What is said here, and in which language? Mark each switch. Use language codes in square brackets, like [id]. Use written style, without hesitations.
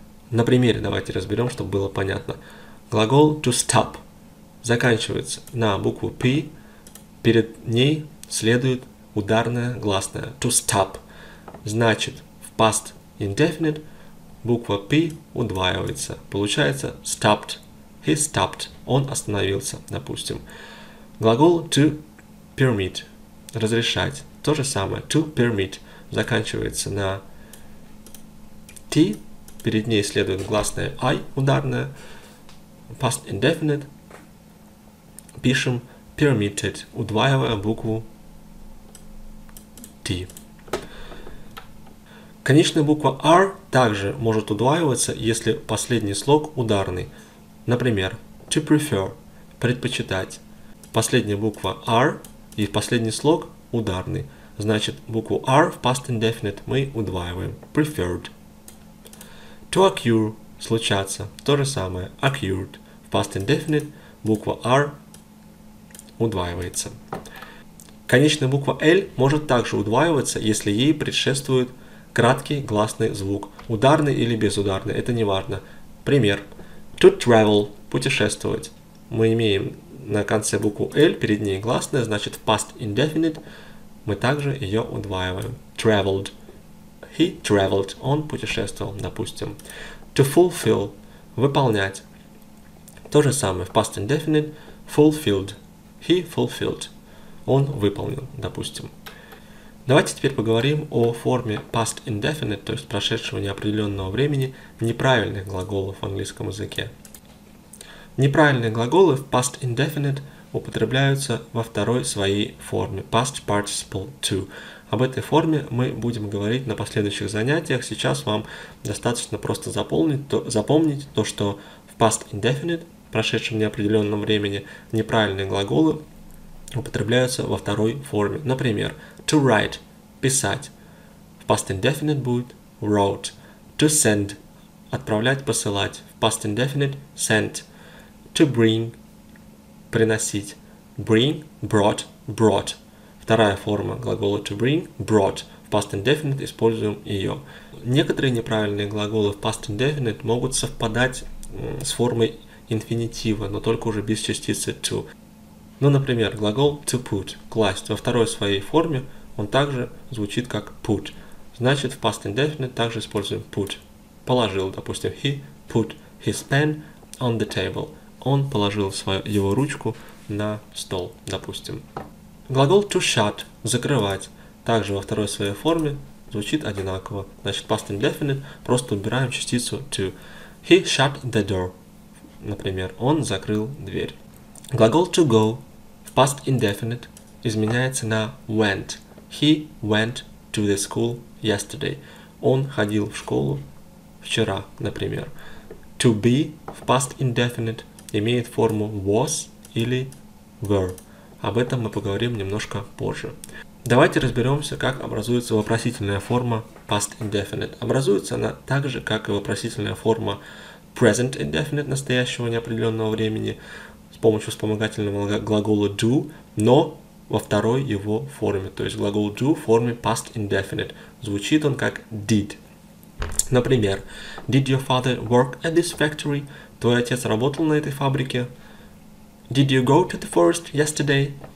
[ru] На примере давайте разберем, чтобы было понятно. Глагол to stop заканчивается на букву p, перед ней следует ударное гласное to stop. Значит, в past indefinite буква p удваивается. Получается stopped. [en] He stopped. [ru] Он остановился, допустим. Глагол to permit. Разрешать. То же самое. To permit. Заканчивается на t. Перед ней следует гласное I ударное. [en] Past indefinite. [ru] Пишем permitted, удваивая букву t. Конечная буква r также может удваиваться, если последний слог ударный. Например, to prefer – предпочитать. Последняя буква R и последний слог – ударный. Значит, букву R в past indefinite мы удваиваем – preferred. [en] To occur – случаться. [ru] То же самое – occurred. В past indefinite буква R удваивается. Конечная буква L может также удваиваться, если ей предшествует краткий гласный звук. Ударный или безударный – это не важно. Пример. [en] To travel – путешествовать. [ru] Мы имеем на конце букву L, перед ней гласное, значит, в past indefinite мы также ее удваиваем. [en] Traveled. He traveled. [ru] Он путешествовал, допустим. [en] To fulfill – выполнять. [ru] То же самое в past indefinite – fulfilled. [en] He fulfilled. [ru] Он выполнил, допустим. Давайте теперь поговорим о форме past indefinite, то есть прошедшего неопределенного времени, неправильных глаголов в английском языке. Неправильные глаголы в past indefinite употребляются во второй своей форме, past participle to. Об этой форме мы будем говорить на последующих занятиях. Сейчас вам достаточно просто запомнить то, что в past indefinite, прошедшем неопределенном времени, неправильные глаголы употребляются во второй форме. Например, to write – писать. В past indefinite будет wrote. To send – отправлять, посылать. В past indefinite – sent. [en] To bring – приносить. Bring – brought – brought. [ru] Вторая форма глагола to bring – brought. В past indefinite используем ее. Некоторые неправильные глаголы в past indefinite могут совпадать с формой инфинитива, но только уже без частицы to. Ну, например, глагол to put – класть. Во второй своей форме он также звучит как put. Значит, в past indefinite также используем put. Положил, допустим, [en] he put his pen on the table. [ru] Он положил его ручку на стол, допустим. Глагол to shut – закрывать. Также во второй своей форме звучит одинаково. Значит, past indefinite просто убираем частицу to. [en] He shut the door. [ru] Например, он закрыл дверь. Глагол to go – past indefinite изменяется на went. [en] He went to the school yesterday. [ru] Он ходил в школу вчера, например. To be в past indefinite имеет форму was или were. Об этом мы поговорим немножко позже. Давайте разберемся, как образуется вопросительная форма past indefinite. Образуется она так же, как и вопросительная форма present indefinite настоящего неопределенного времени, с помощью вспомогательного глагола do, но во второй его форме. То есть глагол do в форме past indefinite. Звучит он как did. [en] Например, did your father work at this factory? [ru] Твой отец работал на этой фабрике. [en] Did you go to the forest yesterday?